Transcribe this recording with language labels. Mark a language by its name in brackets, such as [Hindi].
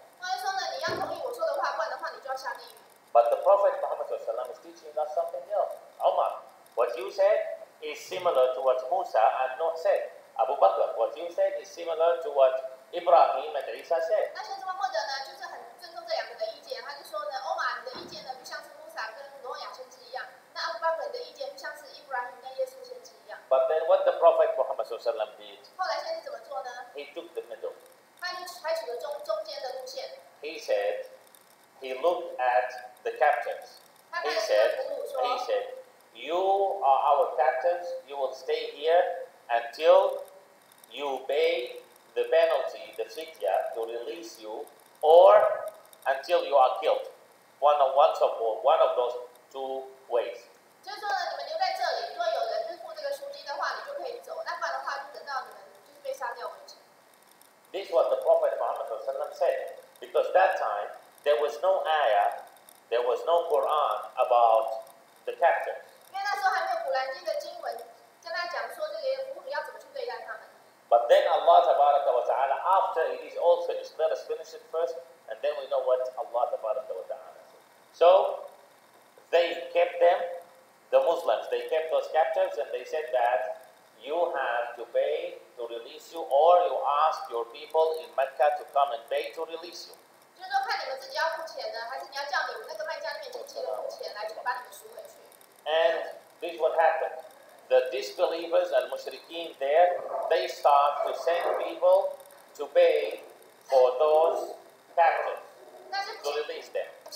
[Chinese] 他就说呢，你要同意我说的话，不然的话你就要下地狱。 [English] But the Prophet Muhammad Sallam is teaching us something else. Omar, what you said is similar to what Musa and Noah said. Abu Bakr, what you said is similar to what Ibrahim and Isa said. [Chinese] 那先知穆罕默德呢，就是很尊重这两个的意见，他就说呢，欧玛你的意见呢，不像是穆萨跟挪亚先知一样，那阿布巴克的意见不像是伊布拉罕跟耶稣先知一样。 [English] But then what the Prophet Muhammad Sallallahu Alaihi Wasallam did? [Chinese] 后来先知怎么做呢 [English] ？He took the middle. [Chinese] 他采取了中间的路线。 [English] He said, he looked at the captains. [Chinese] 他看着俘虏说。 [English] He said, you are our captains. You will stay here until you obey the penalty, the fidya, to release you, or until you are killed. One of those two ways. [Chinese] 就是说呢，你们留在这里，如果有人支付这个赎金的话，你就可以走；那不然的话，就等到你们就是被杀掉为止。 [English] This was the Prophet Muhammad said, because that time there was no ayah, there was no Quran about the captives. [Chinese] 因为那时候还没有古兰经的经文跟他讲说这个俘虏要怎么去对待他们。 [English] But then Allah Tabaraka wa Ta'ala, after it is all finished, let us finish it first, and then we know what Allah Tabaraka wa Ta'ala said. So, they kept them, the Muslims, they kept those captives, and they said that you have to pay to release you, or you ask your people in Mecca to come and pay to release you. [Chinese] 就是说看你们自己要付钱呢，还是你要叫你们那个卖家那边亲戚的付钱来把你们赎回去。 [English] And this is what happened. The disbelievers, al-mushrikeen there, they start to send people to pay for those captives, to release them.